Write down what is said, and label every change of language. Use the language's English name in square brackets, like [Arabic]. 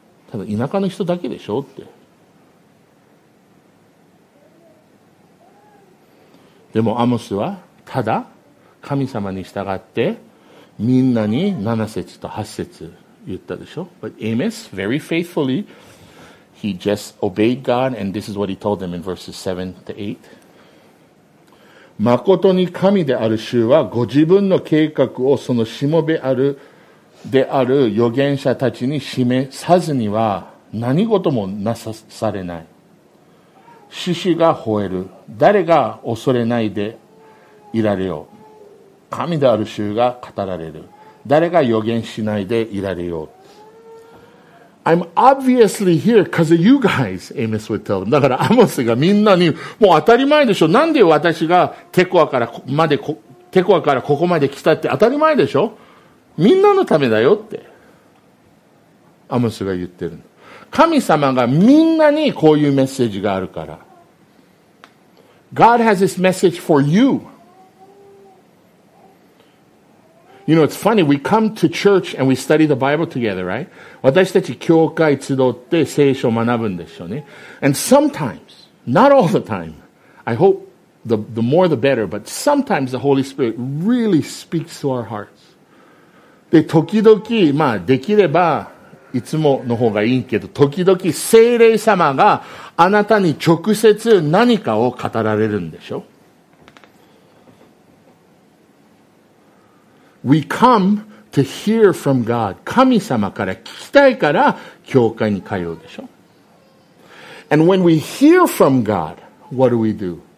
[Japanese] ただ田舎の人だけでしょって。でもアモスはただ神様に従ってみんなに7節と8節言ったでしょ。 [English] But Amos, very faithfully, he just obeyed God and this is what he told them in verses 7-8. [Japanese] まことに神である主はご自分の計画をそのしもべである預言者たちに示さずには何事もなさされない。獅子が吠える。誰が恐れないでいられよう。神である主が語られる。誰が予言しないでいられよう。 [English] I'm obviously here because of you guys, Amos would tell them. [Japanese] だからアモスがみんなに、もう当たり前でしょ。なんで私がテコアからまで、テコアからここまで来たって当たり前でしょ。みんなのためだよって。アモスが言ってる。神様がみんなにこういうメッセージがあるから。 [English] God has this message for you. You know, it's funny, we come to church and we study the Bible together, right? [Japanese] 私たち教会集って聖書を学ぶんでしょうね。 [English] And sometimes, not all the time, I hope the more the better, but sometimes the Holy Spirit really speaks to our hearts. [Japanese] で、時々、まあ、できれば、いつもの方がいいけど、時々聖霊様があなたに直接何かを語られるんでしょ。 [English] We come to hear from God. [Japanese] 神様から聞きたいから教会に通うでしょ。 [English] And when we hear from God, what do we do?